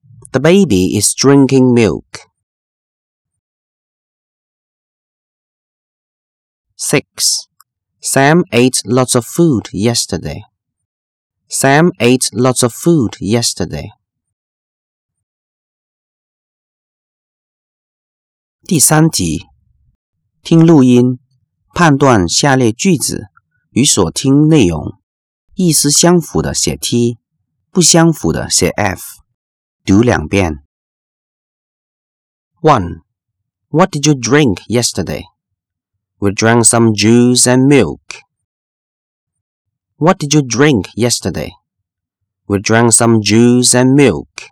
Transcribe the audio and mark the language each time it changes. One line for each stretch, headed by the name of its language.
English: The baby is drinking milk. 6. Sam ate lots of food yesterday. Sam ate lots of food yesterday.
Chinese: 第三题，听录音，判断下列句子与所听内容意思相符的写 T， 不相符的写 F， 读两遍。 1.
English: What did you drink yesterday? We drank some juice and milk. What did you drink yesterday? We drank some juice and milk.